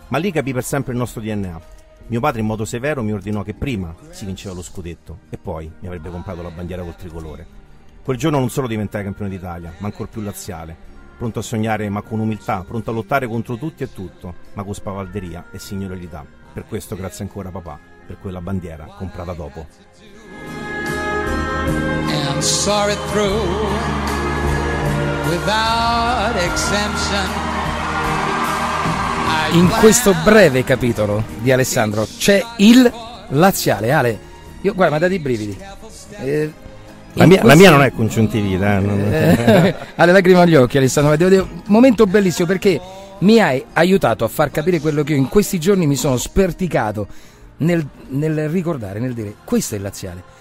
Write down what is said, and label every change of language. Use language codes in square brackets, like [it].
[it] Ma lì capì per sempre il nostro DNA. Mio padre in modo severo mi ordinò che prima si vinceva lo scudetto e poi mi avrebbe comprato la bandiera col tricolore. Quel giorno non solo diventai campione d'Italia, ma ancor più laziale. pronto a sognare ma con umiltà, pronto a lottare contro tutti e tutto, ma con spavalderia e signorilità. Per questo grazie ancora papà, per quella bandiera comprata dopo. [en] And saw it through without exemption. [it] In questo breve capitolo di Alessandro c'è il laziale. Ale, io guarda, mi ha dato i brividi. La mia non è congiuntivita. Ha le lacrime agli occhi, Alessandro. Devo dire, momento bellissimo, perché mi hai aiutato a far capire quello che io in questi giorni mi sono sperticato nel ricordare, nel dire: questo è il laziale.